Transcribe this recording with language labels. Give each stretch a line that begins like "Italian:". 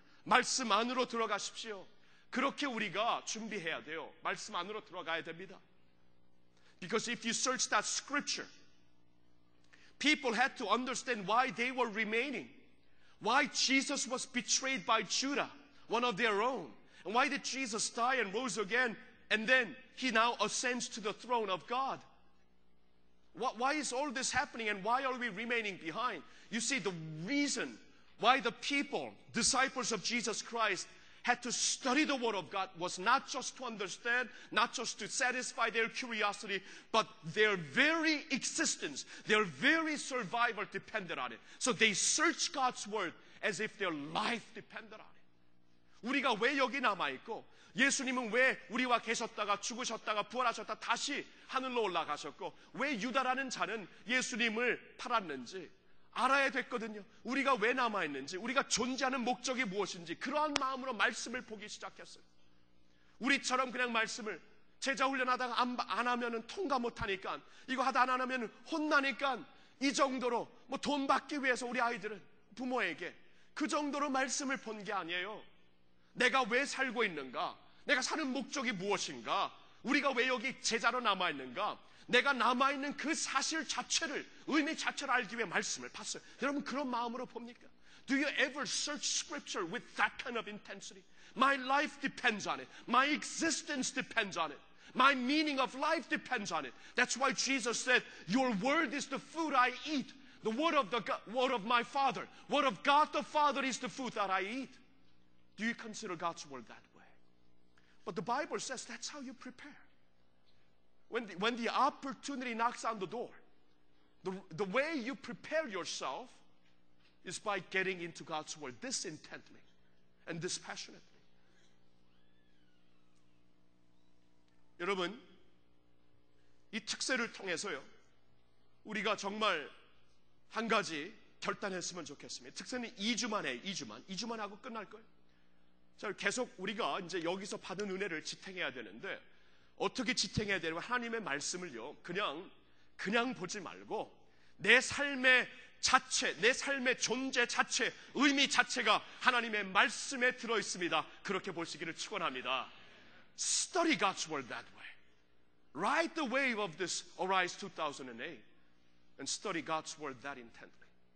Korean: 말씀 안으로 들어가십시오. 그렇게 우리가 준비해야 돼요. 말씀 안으로 들어가야 됩니다.
English: Because if you search that scripture, people had to understand why they were remaining. Why Jesus was betrayed by Judah, one of their own. And why did Jesus die and rose again? And then he now ascends to the throne of God. Why is all this happening and why are we remaining behind? You see, the reason why the people, disciples of Jesus Christ, had to study the Word of God was not just to understand, not just to satisfy their curiosity, but their very existence, their very survival depended on it. So they searched God's Word as if their life depended on it.
Korean: 우리가 왜 여기 남아있고, 예수님은 왜 우리와 계셨다가 죽으셨다가 부활하셨다 다시 하늘로 올라가셨고 왜 유다라는 자는 예수님을 팔았는지 알아야 됐거든요. 우리가 왜 남아있는지 우리가 존재하는 목적이 무엇인지 그러한 마음으로 말씀을 보기 시작했어요. 우리처럼 그냥 말씀을 제자 훈련하다가 안 하면은 통과 못하니까 이거 하다 안 하면 혼나니까 이 정도로 뭐 돈 받기 위해서 우리 아이들은 부모에게 그 정도로 말씀을 본 게 아니에요. 내가 왜 살고 있는가? 내가 사는 목적이 무엇인가? 우리가 왜 여기 제자로 남아있는가? 내가 남아있는 그 사실 자체를, 의미 자체를 알기 위해 말씀을 봤어요. 여러분 그런 마음으로 봅니까?
English: Do you ever search scripture with that kind of intensity? My life depends on it. My existence depends on it. My meaning of life depends on it. That's why Jesus said, your word is the food I eat. The word of, word of my Father, word of God the Father is the food that I eat. Do you consider God's word that way? But the Bible says that's how you prepare. When the opportunity knocks on the door, the way you prepare yourself is by getting into God's word this intently and this passionately.
Korean: 여러분, 이 특세를 통해서요, 우리가 정말 한 가지 결단했으면 좋겠습니다. 특세는 2주만 하고 끝날 거예요. 자, 계속 우리가 이제 여기서 받은 은혜를 지탱해야 되는데 어떻게 지탱해야 되냐면 하나님의 말씀을요 그냥 보지 말고 내 삶의 자체, 내 삶의 존재 자체, 의미 자체가 하나님의 말씀에 들어있습니다. 그렇게 보시기를 축원합니다.
English: Study God's word that way. Ride the wave of this Arise 2008 and study God's word that intently.